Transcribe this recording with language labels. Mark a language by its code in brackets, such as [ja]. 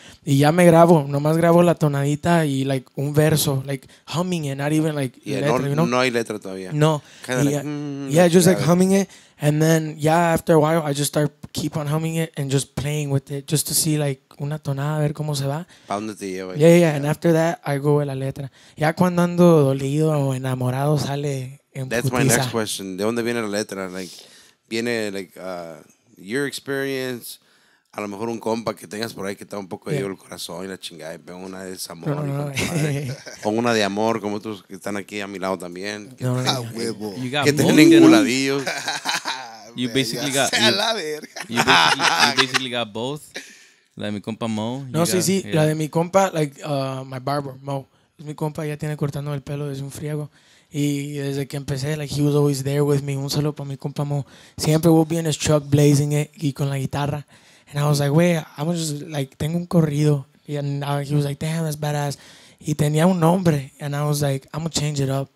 [es] Y ya me grabo, nomás grabo la tonadita y, like, un verso, like, [en] humming it, not even, [es] like, [en] yeah, [es] letra, no, [en] you know? [es] No hay letra todavía. No. [en] Kind of like, yeah, just, like, humming it. And then, yeah, after a while, I just start, keep on humming it and just playing with it, just to see, like, [es] una tonada, a ver cómo se va. ¿Para dónde te lleva? [en] Yeah, yeah, and after that, I go with [es] la letra. Ya cuando ando dolido o enamorado sale en [en] That's [es] putiza. [en] My next question. [es] ¿De dónde viene la letra? [en] Like, viene, like, your experience... [es] A lo mejor un compa que tengas por ahí que está un poco ahí el corazón y la chingada. Y veo una de desamor. No. O una de amor, como otros que están aquí a mi lado también. No. A huevo. Que tienen enculadillos. [en] You basically got... [es] A la verga. [en] You basically got both. [es] La de mi compa Mo. No, [en] got, [es] sí, sí. Yeah. La de mi compa, like, [en] my barber, [es] Mo. Es mi compa, ya tiene cortando el pelo desde un friego. Y desde que empecé, like, [en] he was always there with me. [es] Un solo para mi compa Mo. [en] Siempre will be in his truck blazing it [es] y con la guitarra. [en] And I was like, wey, I'm just, like, [es] tengo un corrido. [en] And he was like, damn, that's badass. [es] Y tenía un nombre. [en] And I was like, I'm going to change it up.